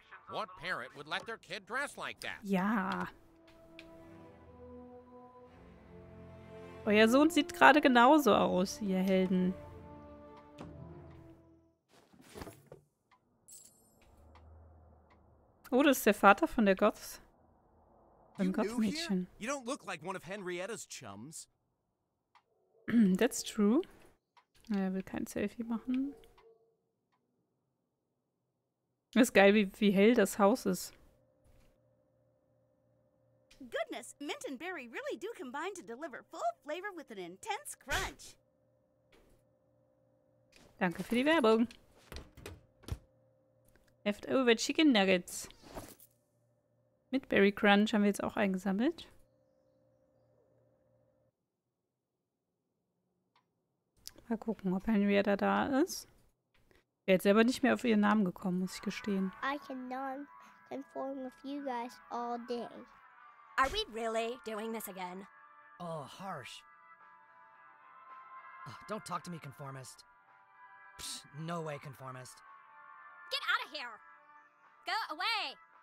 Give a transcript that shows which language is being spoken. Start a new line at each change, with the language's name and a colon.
English: What parent would let their kid dress like that?
German: Ja. Euer Sohn sieht gerade genauso aus, ihr Helden. Oh, das ist der Vater von der Goths. Von Gothmädchen.
English: You don't look like one of Henrietta's chums. That's true.
German: Er will kein Selfie machen. Das ist geil, wie hell das Haus ist.
English: Goodness, Mint and Berry really do combine to deliver full flavor with an intense crunch.
German: Danke für die Werbung.
English: Leftover Chicken Nuggets.
German: Mit Berry Crunch haben wir jetzt auch eingesammelt. Mal gucken, ob Henrietta da ist. Wäre jetzt selber nicht mehr auf ihren Namen gekommen, muss ich gestehen.
English: I cannot conform with you guys all day. Are we really doing this again? Oh, harsh. Oh, don't talk to me, conformist. Psst, no way, conformist. Get out of here! Go away!